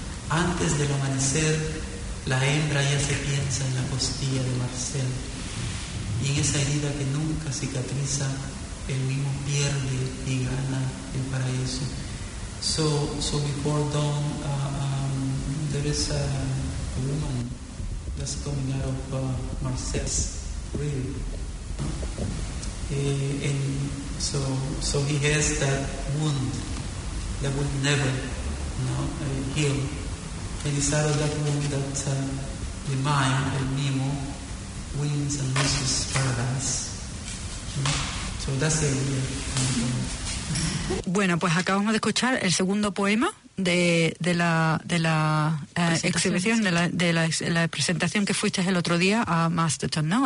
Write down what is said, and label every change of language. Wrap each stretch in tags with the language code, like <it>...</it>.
<es>Antes del amanecer, la hembra ya se piensa en la costilla de Marcel y en esa herida que nunca cicatriza, el mismo pierde y gana el paraíso.</es> <en>So before dawn, there is a woman that's coming out of Marcel's rib. And so he has that wound that will never, you know, heal. And it's out of that room that the mind, El Mimo, wins and loses paradise. So that's the idea.</en> <es>Bueno, pues acabamos de escuchar el segundo poema de la exhibición, de la presentación que fuiste el otro día a Masterton, ¿no?</es>